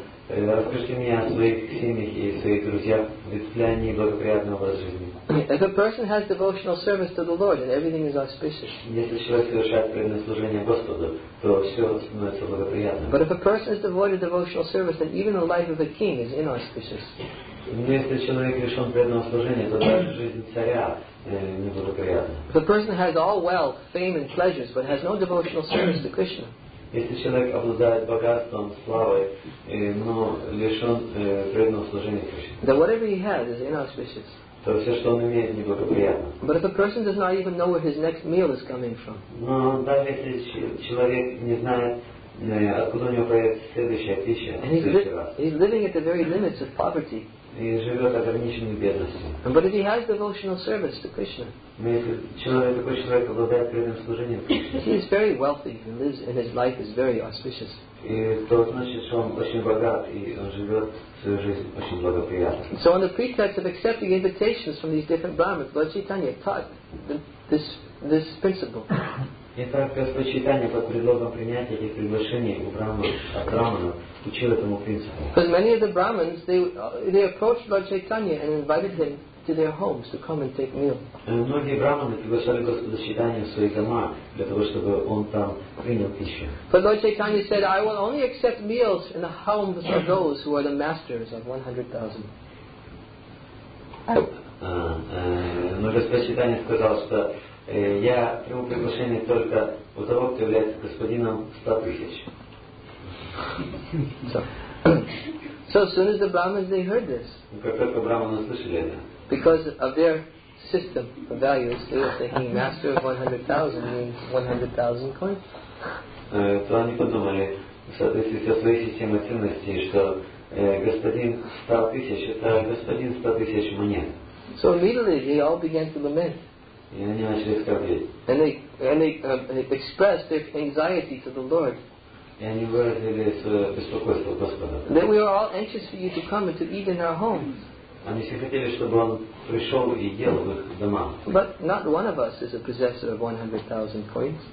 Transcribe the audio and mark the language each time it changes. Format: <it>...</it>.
<ru>Расскажите мне о своих семьях и своих друзьях, ведь ли они благоприятны образ жизни.</ru> <en>If a person has devotional service to the Lord and everything is auspicious.</en> <ru>Если человек совершает преданное служение Господу, то все становится благоприятным.</ru> <en>But if a person is devoid of devotional service, then even the life of a king is inauspicious.</en> <ru>Но если человек лишен преданного служения, то даже жизнь царя неблагоприятна.</ru> <en>If a person has all wealth, fame and pleasures, but has no devotional service to Krishna.</en> <ru>Если человек обладает богатством, славой, но лишен преданного служения Кришне,</ru> <en>then whatever he has is inauspicious.</en> <ru>То все, что он имеет, неблагоприятно.</ru> <en>But if a person does not even know where his next meal is coming from,</en> <ru>но даже если человек не знает, откуда у него появится следующая пища,</ru> <en>he's living at the very limits of poverty.</en> <ru>И живет ограниченной бедностью.</ru> <en>But if he has devotional service to Krishna,</en> <ru>такой человек обладает преданным служением Кришне,</ru> <en>he is very wealthy and lives, and his life is very auspicious.</en> <ru>И то значит, что он очень богат и он живет свою жизнь очень благоприятно.</ru> <en>So on the pretext of accepting invitations from these different Brahmins, Lord Chaitanya taught this principle.</en> <ru>Итак, Господь Чайтанья под предлогом принятия этих приглашений у Брахманов учил этому принципу.</ru> <en>Because many of the Brahmins they approached Lord Chaitanya and invited him to their homes to come and take meal.</en> <ru>Многие Брахманы приглашали Господа Чайтанья в свои дома для того, чтобы он там принял пищу.</ru> <en>But Lord Chaitanya said, I will only accept meals in the homes of those who are the masters of 100,000.</en> <ru>Но Господь Чайтанья сказал, что я приму приглашение только у того, кто является господином 100,000.</ru> <en>So as soon as the Brahmins they heard this,</en> <ru>как только Брахманы услышали это,</ru> <en>because of their system of values, they were thinking master of 100,000 means 100,000 coins.</en> <ru>То они подумали, соответственно, со своей системой ценностей, что господин 100,000 это господин 100,000 монет.</ru> <en>So immediately they all began to lament. And they expressed their anxiety to the Lord. That we are all anxious for you to come and to eat in our homes. But not one of us is a possessor of 100,000 coins.</en>